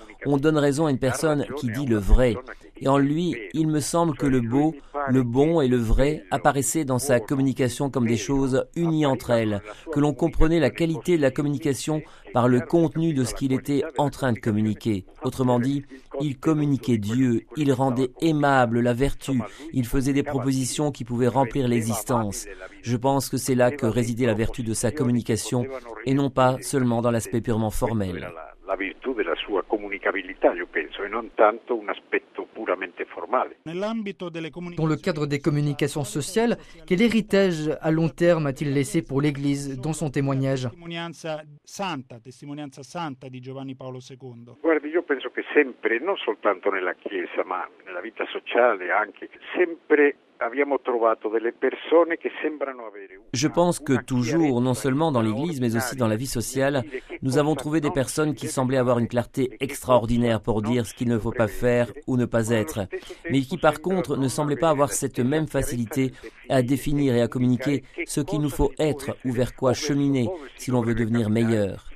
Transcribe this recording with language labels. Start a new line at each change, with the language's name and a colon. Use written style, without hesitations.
French: On donne raison à une personne qui dit le vrai. Et en lui, il me semble que le beau, le bon et le vrai apparaissaient dans sa communication comme des choses unies entre elles, que l'on comprenait la qualité de la communication par le contenu de ce qu'il était en train de communiquer. Autrement dit, il communiquait Dieu, il rendait aimable la vertu, il faisait des propositions qui pouvaient remplir l'existence. Je pense que c'est là que résidait la vertu de sa communication et non pas seulement dans l'aspect purement formel.
Italian: La virtù della sua comunicabilità, io penso, e non tanto un aspetto puramente formale. Nell'ambito delle comunicazioni.
French: Dans le cadre des communications sociales, quel héritage à long terme a-t-il laissé pour l'Église dans son témoignage?
Italian: Testimonianza santa di Giovanni Paolo II. Guardi, io penso che sempre, non soltanto nella Chiesa, ma nella vita sociale anche, sempre.
French: Je pense que toujours, non seulement dans l'Église, mais aussi dans la vie sociale, nous avons trouvé des personnes qui semblaient avoir une clarté extraordinaire pour dire ce qu'il ne faut pas faire ou ne pas être, mais qui par contre ne semblaient pas avoir cette même facilité à définir et à communiquer ce qu'il nous faut être ou vers quoi cheminer si l'on veut devenir meilleur.